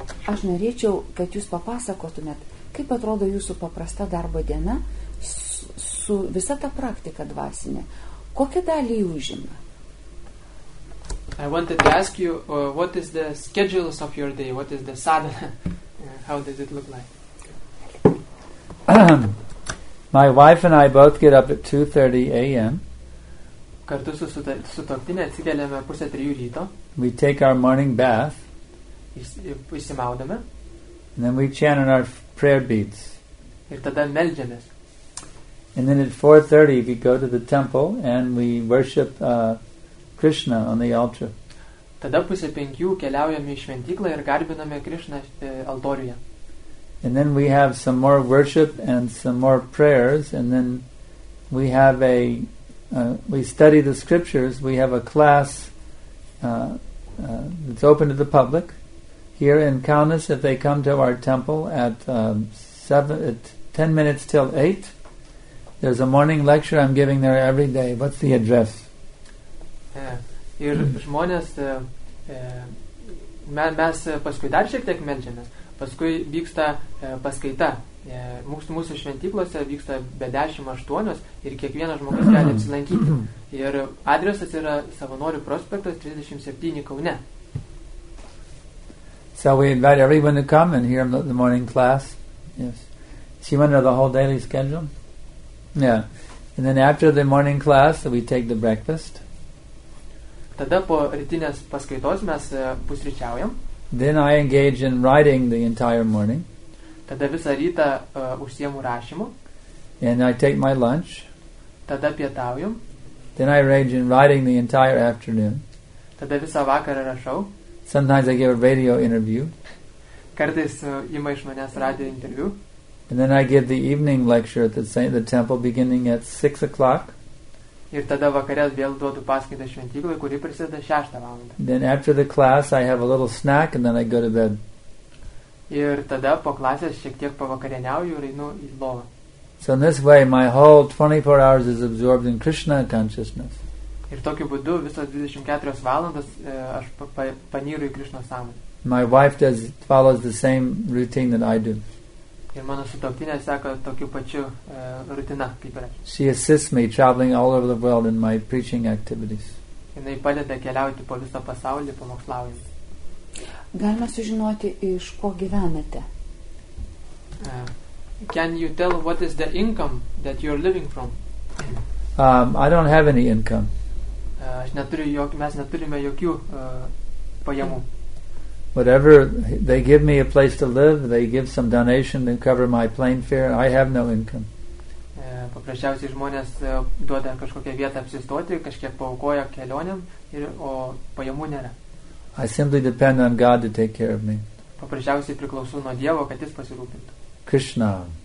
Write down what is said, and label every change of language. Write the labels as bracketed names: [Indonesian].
[Lithuanian] Aš norėčiau, kad jūs papasakotumėt, kaip atrodo jūsų paprasta darbo diena su visa ta praktika dvasinė. Kokią dalį jį užima? [English] I wanted to ask you, what is the schedules of your day? What is the sadhana? How does it look like? My wife and I both get up at 2:30 a.m. [Lithuanian] Kartu su sutuoktine atsikeliame pusę trijų ryto. [English] We take our morning bath. [Lithuanian] Išsimaudome. [English] And then we chant on our prayer beads. [Lithuanian] Ir tada meldžiamės. [English] And then at 4:30 we go to the temple and we worship Krishna on the altar. [Lithuanian] Tada pusė penkių keliaujame į šventyklą ir garbiname Krishna altoriuje. [English] And then we have some more worship and some more prayers and then we have a we study the scriptures. We have a class that's open to the public. Here in Kaunas, if they come to our temple at 8:10, there's a morning lecture I'm giving there every day. What's the address? [Lithuanian] Ir žmonės, mes paskui dar šiek tiek meldžiamės, paskui vyksta paskaita. Mūsų šventyklose vyksta be 10:08 ir kiekvienas žmogus gali apsilankyti. Ir adresas yra Savanorių prospektas 37 Kaune. [English] So we invite everyone to come and hear the morning class. Yes. So you under the whole daily schedule? Yeah. And then after the morning class, we take the breakfast. [Lithuanian] Tada po rytinės paskaitos mes pusryčiaujam. [English] Then I engage in writing the entire morning. [Lithuanian] Tada visą rytą užsiemu rašymu. [English] And I take my lunch. [Lithuanian] Tada pietaujam. [English] Then I engage in writing the entire afternoon. [Lithuanian] Tada visą vakarą rašau. [English] Sometimes I give a radio interview. [Lithuanian] Kartais ima iš manęs radio interviu. [English] And then I give the evening lecture at the temple beginning at 6:00. [Lithuanian] Ir tada vakare vėl duodu paskaitą šventykloje, kuri prasideda 6:00. [English] Then after the class I have a little snack and then I go to bed. [Lithuanian] Ir tada po klasės šiek tiek pavakarieniauju ir einu į lovą. [English] So in this way my whole 24 hours is absorbed in Krishna consciousness. [Lithuanian] Ir tokiu būdu visos 24 valandas aš panyru į Krishna sąmonę. [English] My wife does follows the same routine that I do. [Lithuanian] Ir mano sutuoktinė seka tokiu pačiu rutina kaip ir aš. [English] She assists me traveling all over the world in my preaching activities. [Lithuanian] Jinai padeda keliauti po visą pasaulį pamokslaujant. Galima sužinoti, iš ko gyvenate? [English] can you tell what is the income that you're living from? I don't have any income. [Lithuanian] Mes neturime jokių pajamų. [English] Whatever they give me a place to live, they give some donation to cover my plane fare. I have no income. [Lithuanian] Paprasčiausiai žmonės duoda kažkokią vietą apsistoti, kažkiek paukoja kelionėm, o pajamų nėra. [English] I simply depend on God to take care of me. [Lithuanian] Paprasčiausiai priklausau nuo Dievo, kad jis pasirūpintų. Krishna.